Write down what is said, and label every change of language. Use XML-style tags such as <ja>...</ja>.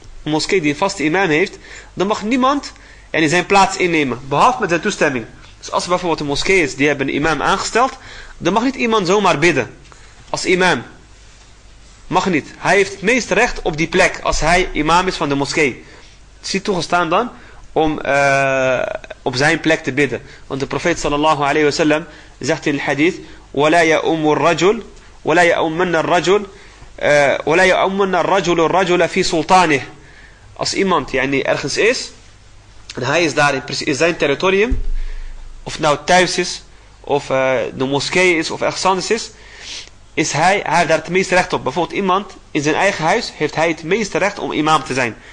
<nl>Een moskee die een vaste imam heeft. Dan mag niemand in zijn plaats innemen. Behalve met zijn toestemming. Dus als er bijvoorbeeld een moskee is die hebben een imam aangesteld. Dan mag niet iemand zomaar bidden. Als imam. Mag niet. Hij heeft het meeste recht op die plek als hij imam is van de moskee. Het is niet toegestaan dan om op zijn plek te bidden. Want de profeet sallallahu alayhi wa sallam zegt in de hadith:</nl> <ar>وَلَا يَأُمُّ الرَّجُلُ وَلَا يَأُمَّنَّ الرَّجُلُ وَلَا يَأُمَّنَّ الرَّجُلُ الرَّجُلَ فِي سُلْطَانِهِ.</ar> <nl>Als iemand yani, ergens is, en hij is daar in zijn territorium, of nou thuis is, of de moskee is, of ergens anders is, is hij heeft daar het meeste recht op. Bijvoorbeeld iemand in zijn eigen huis heeft hij het meeste recht om imam te zijn.</nl>